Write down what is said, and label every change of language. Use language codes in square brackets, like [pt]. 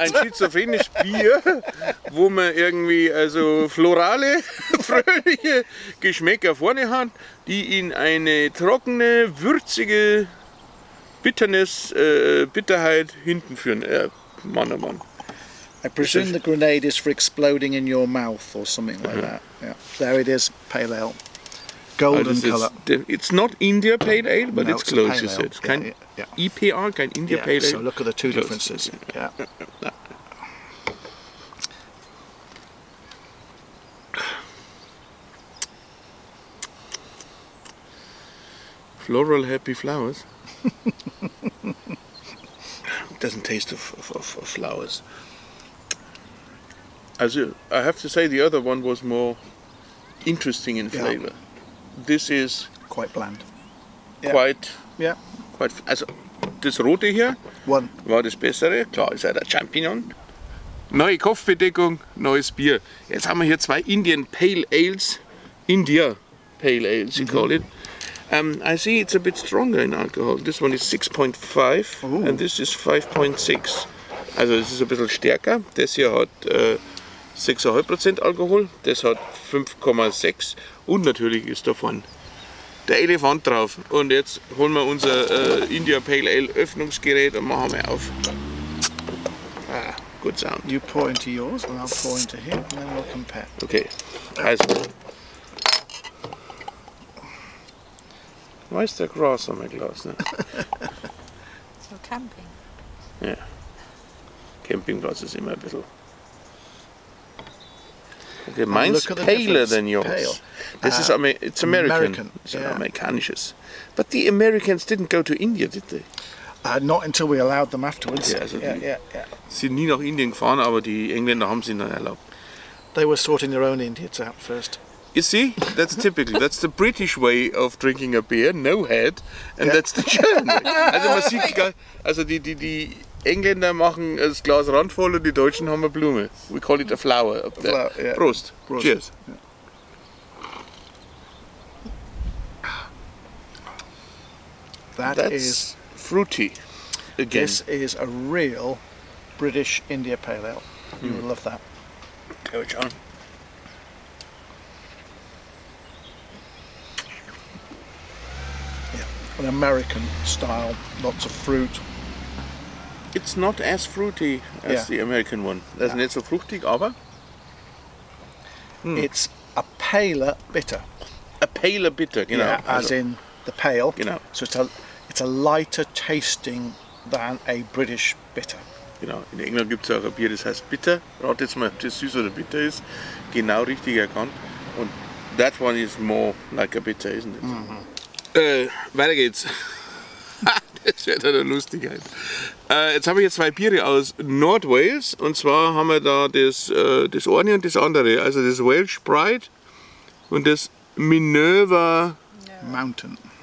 [de] Ein schizophrenisches Bier, wo man irgendwie also florale, fröhliche Geschmäcker vorne hat, die in eine trockene, würzige Bitterheit hinten führen. Mann, oh Mann. [en] I presume the grenade is for exploding in your mouth or something like that. Yeah. There it is, pale ale. Golden colour. It's not India pale ale, but no, it's close, you said. [de] EPR, kein India pale ale. [en] So look at the two differences. Yeah. Floral happy flowers. It doesn't taste of flowers. As I have to say, the other one was more interesting in flavor. This is quite bland. [de] Also, das rote hier [en] one. [de] War das bessere. Klar, ist ja der Champignon. Neue Kopfbedeckung, neues Bier. Jetzt haben wir hier zwei Indian Pale Ales. [en] India Pale Ales, you call it. I see it's a bit stronger in alcohol. This one is 6.5 and this is 5.6. [de] Also, es ist ein bisschen stärker. Das hier hat 6,5% Alkohol, das hat 5,6 und natürlich ist da vorne der Elefant drauf. Und jetzt holen wir unser India Pale Ale Öffnungsgerät und machen wir auf. [en] Ah, good sound. You pour into yours and I'll pour into him and then we'll compare. [de] Okay, also. [en] Why is there grass on my glass now? So camping. [de] Yeah, Campingglas ist immer ein bisschen. [en] Okay, mine's paler than yours. Pale. This is it's American. It's Americanisches. But the Americans didn't go to India, did they? Not until we allowed them afterwards. [de] Yeah, also sind nie nach Indien gefahren, aber die Engländer haben sie dann erlaubt. [en] They were sorting their own Indians out first. You see, that's typical. That's the British way of drinking a beer, no head, and that's the German way. [de] Also man sieht, also die Engländer machen das Glas randvoll und die Deutschen haben eine Blume. [en] We call it a flower up there. Prost. [de] Prost. [en] Cheers. That is fruity. Again. This is a real British India Pale Ale. You will love that. Go, John. Yeah, an American style, lots of fruit. It's not as fruity as the American one. That's not so fruity, aber it's a paler bitter. A paler bitter, you know. Yeah, as in the pale. You know. So it's a lighter tasting than a British bitter. [de] You know, in England gibt's auch ein Bier, das heißt bitter. Rat jetzt mal, ob das süß oder bitter ist. Genau richtig erkannt. [en] And that one is more like a bitter, isn't it? Mm-hmm. [de] Weiter geht's. Das wird eine Lustigkeit. Jetzt habe ich jetzt zwei Biere aus Nordwales und zwar haben wir da das eine und das andere, also das Welsh Pride und das Minerva Mountain.